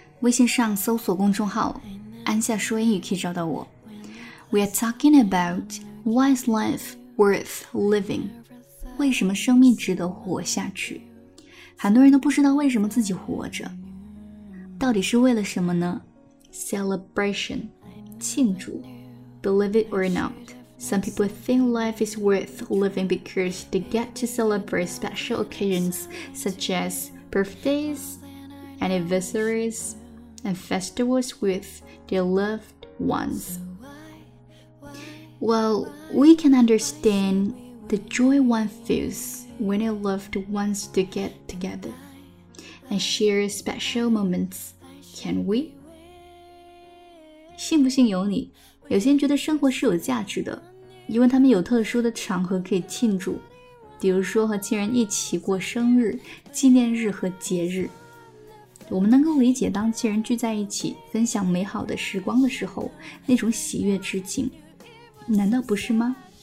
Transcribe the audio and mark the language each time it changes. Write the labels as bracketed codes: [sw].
[zh] 微信上搜索公众号安夏说英语可以找到我。 [en] We are talking about why is life worth living， [zh] 为什么生命值得活下去。很多人都不知道为什么自己活着，到底是为了什么呢？ [en] Celebration， [zh] 庆祝。 [en] Believe it or notSome people think life is worth living because they get to celebrate special occasions such as birthdays, anniversaries, and festivals with their loved ones. Well, we can understand the joy one feels when a loved ones to get together and share special moments, can we? [zh] 信不信由你，有些人觉得生活是有价值的，因为他们有特殊的场合可以庆祝，比如说和亲人一起过生日、纪念日和节日。我们能够理解当亲人聚在一起分享美好的时光的时候那种喜悦之情，难道不是吗？